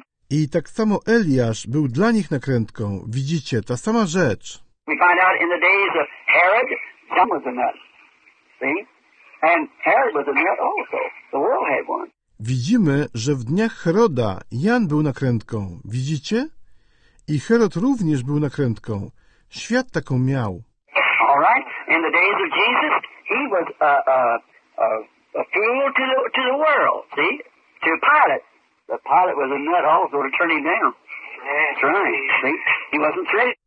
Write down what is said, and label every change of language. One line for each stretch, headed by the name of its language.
Polish: I tak samo Eliasz był dla nich nakrętką. Widzicie, ta sama rzecz.
English: We find out in the days of Herod, some was a nut. See? And Herod was a nut also. The world had one.
Polish: Widzimy, że w dniach Heroda Jan był nakrętką. Widzicie? I Herod również był nakrętką. Świat taką miał.
English: All right. In the days of Jesus, he was a fool to the world. See? To Pilate. The Pilate was a nut also to turn him down. That's right. See? He wasn't straight.